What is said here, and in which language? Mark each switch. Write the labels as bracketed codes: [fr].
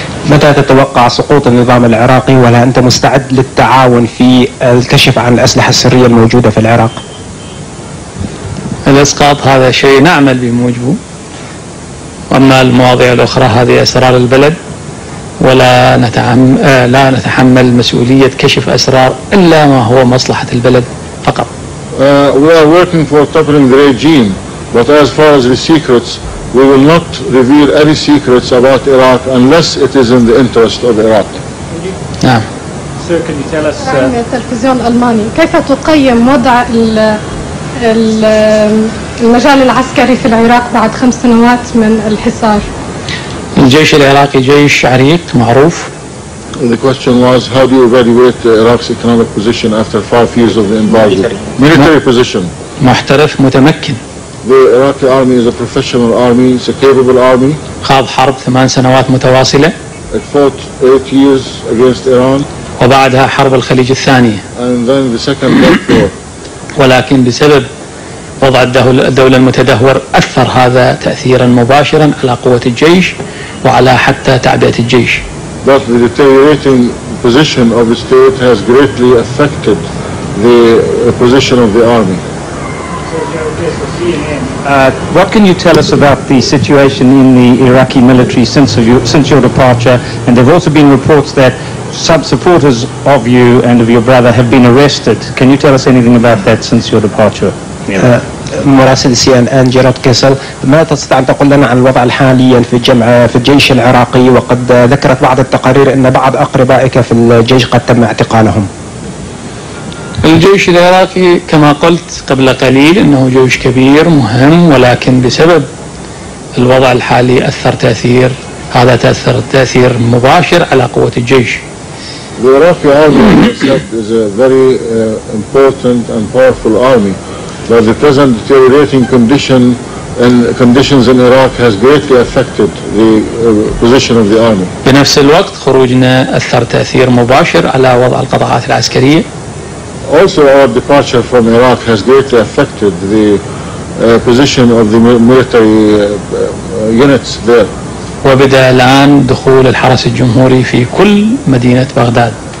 [ar] متى تتوقع سقوط النظام العراقي؟ ولا أنت مستعد للتعاون في الكشف عن الأسلحة السرية الموجودة في العراق؟ الإسقاط هذا شيء نعمل بموجبه، وأما المواضيع الأخرى هذه أسرار البلد، ولا نتحمل مسؤولية كشف أسرار إلا ما هو مصلحة البلد فقط. [en] We are working for toppling the regime, but as far as the secrets, we will not reveal any secrets about Iraq unless it is in the interest of Iraq. [ar] نعم. [en] Sir, can you tell us? [ar] تلفزيون ألماني، كيف تقيم وضع المجال العسكري في العراق بعد 5 سنوات من الحصار؟ الجيش العراقي جيش عريق معروف. [en] The question was, how do you evaluate Iraq's economic position after 5 years of the embargo? Military position. [ar] محترف متمكن. [en] The Iraqi army is a professional army. It's a capable army. [ar] خاض حرب 8 سنوات متواصلة. [en] It fought 8 years against Iran. [ar] وبعدها حرب الخليج الثانية. [en] And then the second Gulf War. [ar] ولكن بسبب وضع الدولة المتدهور أثر هذا تأثيرا مباشرا على قوة الجيش وعلى حتى تعبئة الجيش. [en] But the deteriorating position of the state has greatly affected the position of the army. What can you tell us about the situation in the Iraqi military since your departure? And there have also been reports that some supporters of you and of your brother have been arrested. Can you tell us anything about that since your departure? [ar] مراسل سي ان ان جيرارد كيسل، ما تستطيع أن تقول لنا عن الوضع حاليا في الجيش العراقي؟ وقد ذكرت بعض التقارير أن بعض أقربائك في الجيش قد تم اعتقالهم. الجيش العراقي كما قلت قبل قليل أنه جيش كبير مهم، ولكن بسبب الوضع الحالي تأثر مباشر على قوة الجيش. [en] The Iraqi army is a very important and powerful army. But the present deteriorating conditions in Iraq has greatly affected the position of the army. [ar] بنفس الوقت خروجنا أثر تأثير مباشر على وضع القطاعات العسكرية. [en] Also our departure from Iraq has greatly affected the position of the military units there. [ar] وبدأ الآن دخول الحرس الجمهوري في كل مدينة بغداد.